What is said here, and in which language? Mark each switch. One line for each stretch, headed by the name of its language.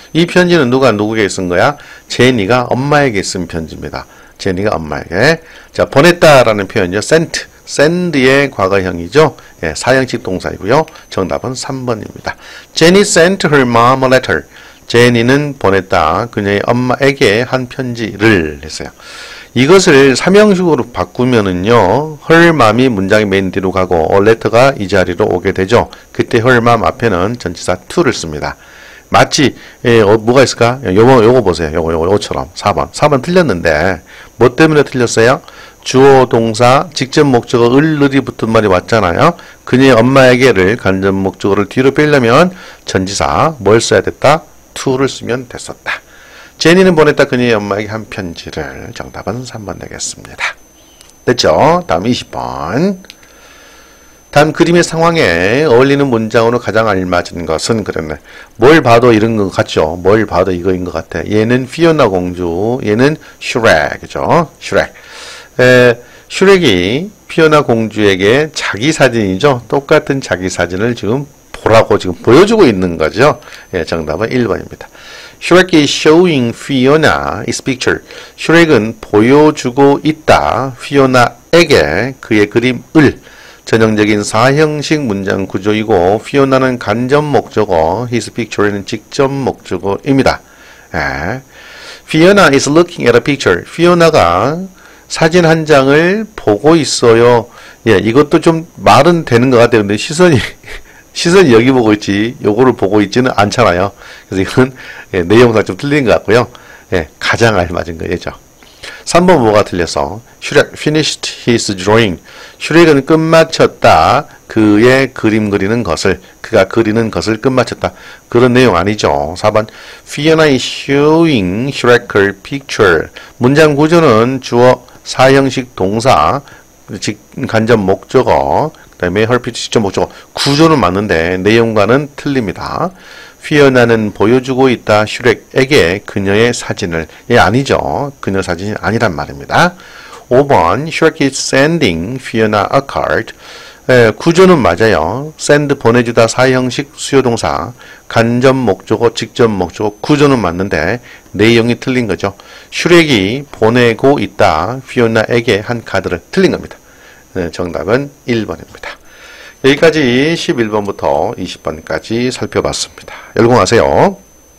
Korean: 이 편지는 누가 누구에게 쓴 거야? 제니가 엄마에게 쓴 편지입니다. 제니가 엄마에게. 자, 보냈다라는 표현이죠.
English: Sent.
Korean: Send의 과거형이죠. 예, 사형식 동사이고요. 정답은 3번입니다.
English: Jenny sent her mom a letter.
Korean: 제니는 보냈다. 그녀의 엄마에게 한 편지를 했어요. 이것을 3형식으로 바꾸면은요, her mom이 문장의 맨 뒤로 가고, a letter가 이 자리로 오게 되죠. 그때 her mom 앞에는 전치사 to를 씁니다. 마치, 예, 뭐가 있을까? 요거 보세요. 요거처럼. 4번. 4번 틀렸는데, 뭐 때문에 틀렸어요? 주어, 동사, 직접 목적어, 을,을이 붙은 말이 왔잖아요. 그녀의 엄마에게를 간접 목적어를 뒤로 빼려면 전치사, 뭘 써야 됐다? to를 쓰면 됐었다. 제니는 보냈다. 그녀의 엄마에게 한 편지를. 정답은 3번 되겠습니다. 됐죠? 다음 20번. 다음 그림의 상황에 어울리는 문장으로 가장 알맞은 것은 그랬네. 뭘 봐도 이런 것 같죠? 뭘 봐도 이거인 것 같아. 얘는 피오나 공주. 얘는 슈렉이죠? 슈렉. 슈렉이 피오나 공주에게 자기 사진이죠? 똑같은 자기 사진을 지금 보라고 지금 보여주고 있는 거죠? 예, 정답은 1번입니다.
English: Shrek is showing Fiona his picture.
Korean: Shrek은 보여주고 있다. Fiona에게 그의 그림을. 전형적인 사형식 문장 구조이고 Fiona는 간접 목적어, his picture는 직접 목적어입니다. 예.
English: Fiona is looking at a picture.
Korean: Fiona가 사진 한 장을 보고 있어요. 예, 이것도 좀 말은 되는 것 같아요. 근데 시선이 여기 보고 있지, 요거를 보고 있지는 않잖아요. 그래서 이건 예, 내용상 좀 틀린 것 같고요. 예, 가장 알맞은 거예요. 3번 뭐가 틀렸어?
English: Shrek finished his drawing.
Korean: Shrek은 끝마쳤다. 그의 그림 그리는 것을, 그가 그리는 것을 끝마쳤다. 그런 내용 아니죠. 4번.
English: Fiona is showing Shrek her picture.
Korean: 문장 구조는 주어 사형식 동사, 간접 목적어, 그 다음에 헐피치 직접 목적어 구조는 맞는데 내용과는 틀립니다. 피어나는 보여주고 있다. 슈렉에게 그녀의 사진을. 예, 아니죠. 그녀 사진이 아니란 말입니다. 5번.
English: Shrek is sending Fiona a card.
Korean: 예, 구조는 맞아요. send 보내주다 사형식 수요동사. 간접 목적어 직접 목적어 구조는 맞는데 내용이 틀린 거죠. 슈렉이 보내고 있다. 피어나에게 한 카드를. 틀린 겁니다. 네, 정답은 1번입니다. 여기까지 11번부터 20번까지 살펴봤습니다. 열공하세요.